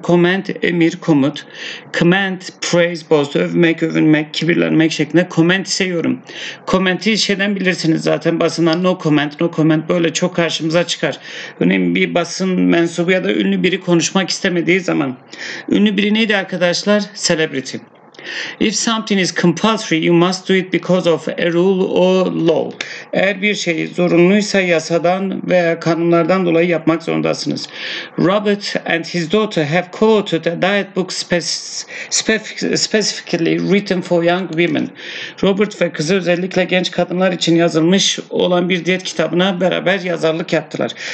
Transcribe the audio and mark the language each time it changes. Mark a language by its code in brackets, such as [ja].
[tr] Command, emir, komut. Command, praise, boast, övmek, övünmek, kibirlenmek şeklinde. Comment ise yorum. Comment'i şeyden bilirsiniz zaten, basından [en] no comment, no comment [tr] böyle çok karşımıza çıkar. Örneğin bir basın mensubu ya da ünlü biri konuşmak istemediği zaman. Ünlü biri neydi arkadaşlar? Celebrity. [en] If something is compulsory, you must do it because of a rule or law. [tr] Eğer bir şey zorunluysa yasadan veya kanunlardan dolayı yapmak zorundasınız. [en] Robert and his daughter have quoted a diet book specifically written for young women. [tr] Robert ve kızı özellikle genç kadınlar için yazılmış olan bir diyet kitabına beraber yazarlık yaptılar.